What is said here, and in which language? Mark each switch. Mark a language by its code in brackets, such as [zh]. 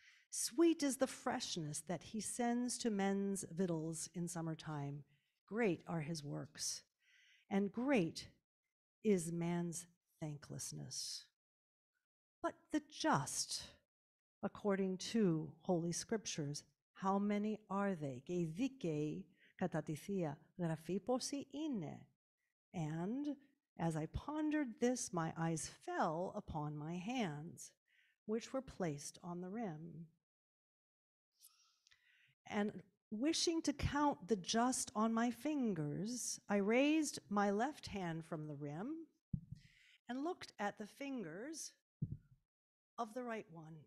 [en] Sweet is the freshness that he sends to men's victuals in summertime. Great are his works, and great is man's thanklessness. But the just, according to holy scriptures, how many are they? [el] Και δίκαιοι κατά τη θεία γραφή πόσοι είναι?" [en] And as I pondered this, my eyes fell upon my hands, which were placed on the rim. And wishing to count the just on my fingers, I raised my left hand from the rim and looked at the fingers of the right one.